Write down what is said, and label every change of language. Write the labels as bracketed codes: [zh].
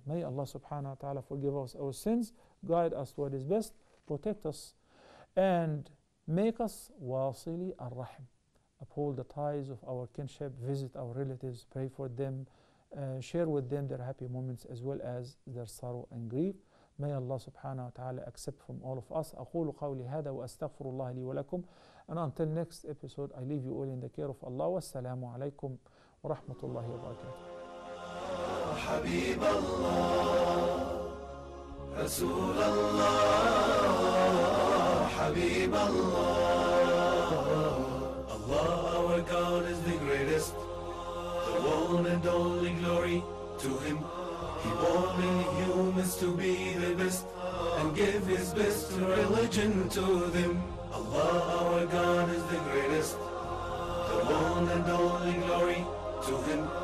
[en] May Allah subhanahu wa ta'ala forgive us our sins, guide us to what is best, protect us, and make us wasili ar-rahim. Uphold the ties of our kinship, visit our relatives, pray for them, share with them their happy moments as well as their sorrow and grief. May Allah subhanahu wa ta'ala accept from all of us. [ar] أقول قولي هذا وأستغفر الله لي ولكم. [en] And until next episode, I leave you all in the care of Allah. [ar] والسلام عليكم ورحمة الله وبركاته. حبيب الله رسول الله حبيب الله. [en] Allah our God is the greatest, one and only glory to him. He born in humans to be the best. and give his best religion to them. Allah, our God, is the greatest, the one and only glory to him.